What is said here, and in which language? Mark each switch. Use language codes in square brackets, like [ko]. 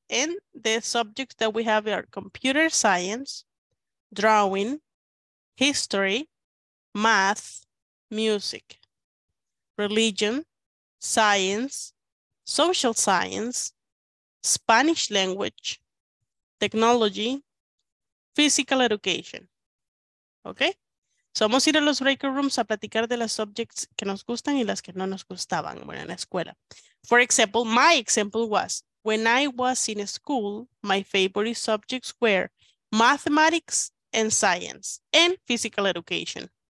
[en] And the subjects that we have are computer science, drawing, history, math, music, religion, science, social science, Spanish language, technology, physical education. Okay. [es] So vamos a ir a los [en] breaker rooms [es] a platicar de las subjects que nos gustan y las que no nos gustaban, bueno, en la escuela. [en] For example, my example was, when I was in school, my favorite subjects were mathematics and science and physical education.